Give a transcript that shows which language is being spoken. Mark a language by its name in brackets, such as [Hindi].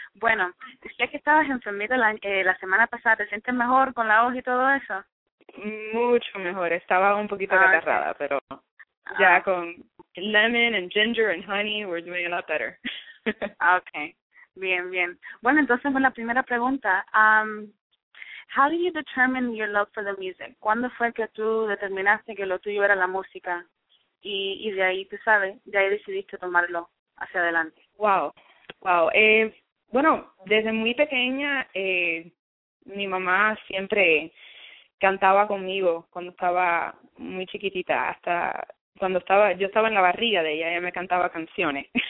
[Spanish] Bueno, decía que estabas enfermita la semana pasada. ¿Te sientes mejor con la voz y todo eso? Mucho mejor. Estaba un poquito catarrada, pero ya con [English] lemon and ginger and honey, we're doing a lot better. [Spanish] Okay. Bien, bien. Bueno, entonces, la primera pregunta. [English] How did you determine your love for the music? [Spanish] ¿Cuándo fue que tú determinaste que lo tuyo era la música? Y de ahí, tú sabes, de ahí decidiste tomarlo hacia adelante. [English] Wow. [Spanish] Bueno, desde muy pequeña, mi mamá siempre cantaba conmigo cuando estaba muy chiquitita, hasta cuando yo estaba en la barriga de ella, ella me cantaba canciones.